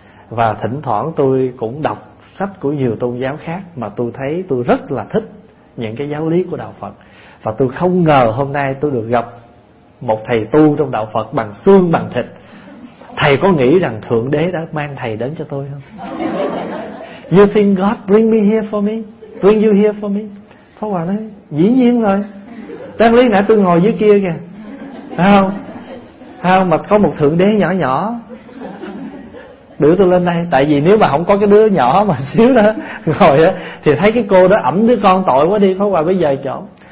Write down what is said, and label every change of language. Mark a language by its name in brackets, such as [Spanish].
[Vietnamese] Và thỉnh thoảng tôi cũng đọc sách của nhiều tôn giáo khác, mà tôi thấy tôi rất là thích những cái giáo lý của đạo Phật. Và tôi không ngờ hôm nay tôi được gặp một thầy tu trong đạo Phật bằng xương bằng thịt. Thầy có nghĩ rằng Thượng Đế đã mang thầy đến cho tôi không? [English] You think God bring me here for me? Bring you here for me? [Vietnamese] Pháp Hòa nói, dĩ nhiên rồi. Đáng lý nãy tôi ngồi dưới kia kìa. Thấy không? Mà có một Thượng Đế nhỏ nhỏ đưa tôi lên đây. Tại vì nếu mà không có cái đứa nhỏ mà xíu đó ngồi á, thì thấy cái cô đó ẩm đứa con tội quá đi. Pháp Hòa bây giờ chỗ.